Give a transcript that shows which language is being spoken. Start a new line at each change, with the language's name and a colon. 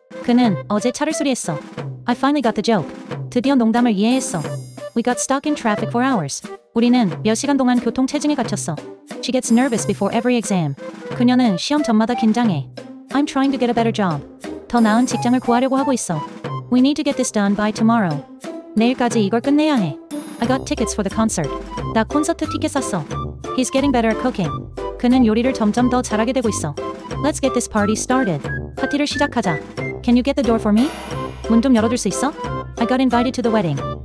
Korean: 그는 어제 차를 수리했어.
English: I finally got the joke.
Korean: 드디어 농담을 이해했어.
English: We got stuck in traffic for hours.
Korean: 우리는 몇 시간 동안 교통 체증에 갇혔어.
English: She gets nervous before every exam.
Korean: 그녀는 시험 전마다 긴장해.
English: I'm trying to get a better job.
Korean: 더 나은 직장을 구하려고 하고 있어.
English: We need to get this done by tomorrow.
Korean: 내일까지 이걸 끝내야 해.
English: I got tickets for the concert.
Korean: 나 콘서트 티켓 샀어.
English: He's getting better at cooking.
Korean: 그는 요리를 점점 더 잘하게 되고 있어.
English: Let's get this party started.
Korean: 파티를 시작하자.
English: Can you get the door for me?
Korean: 문 좀 열어줄 수 있어?
English: I got invited to the wedding.